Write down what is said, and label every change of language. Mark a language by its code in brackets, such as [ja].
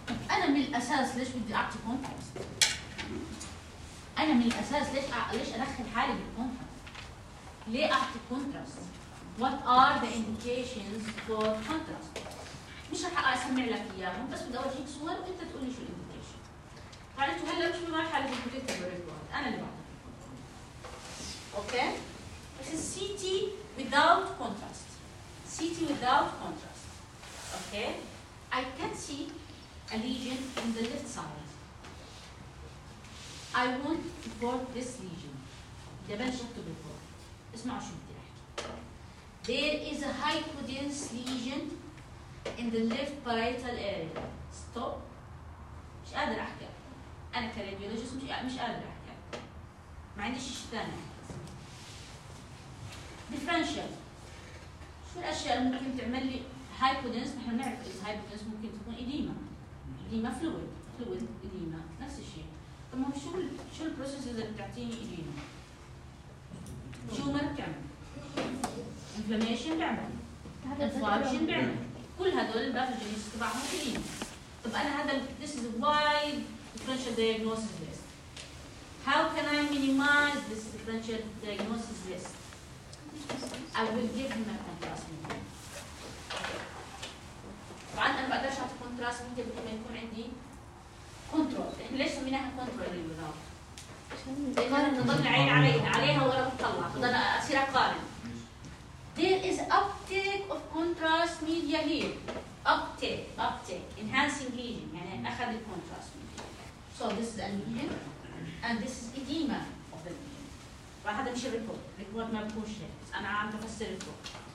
[ar] انا من الاساس ليش بدي اعطي كونتراست؟ انا من الاساس ليش ادخل حالي بالكونتراست؟ ليه اعطي كونتراست؟ [en] what are the indications for contrast؟ [ar] مش رح اسمع لك اياهم، بس بدي اوريك صور وانت تقول لي شو الانديكيشن. تعرفت هلا مش بمرحله البريت ريبورت، انا اللي بعطيك. اوكي، بس السي تي without contrast، سي تي without contrast. [en] Okay, I can see a lesion in the left side. I want to report this lesion. [ar] قبل شفته بالفور. اسمعوا شو بدي احكي. [en] There is a hypodense lesion in the left parietal area. Stop. [ar] مش قادر احكي. انا كرديولوجيست مش قادر احكي. ما عنديش شيء ثاني. [en] Differential. [ar] شو الاشياء اللي ممكن تعمل لي hypodense؟ نحن نعرف اذا hypodense ممكن تكون إديما. ديما فلويد، فلويد ديما نفس الشيء. طب شو البروسيس اللي بتعطيني ديما؟ شو مركب؟ انفلاميشن بعمل، انفلاميشن بعمل، كل هذول الباثوجينز تبعهم ديما. طب انا هذا [en] this is wide differential diagnosis list. How can I minimize this differential diagnosis list? I will give him a contrast. [ar] طبعا انا ما بقدرش اعطي كونتراست من قبل ما يكون عندي كنترول. احنا ليش سميناها كنترول اللي وراها؟ عشان نضل عين عليها ولا بتطلع، بدنا اصير اقارن. [en] There is uptake of contrast media here. Uptake enhancing lesion، [ar] يعني اخذ الكونتراست. [en] So this is a lesion and this is edema of the lesion. [ar] هذا مش الريبورت، الريبورت ما بكونش هيك، بس انا عم بفسر الريبورت.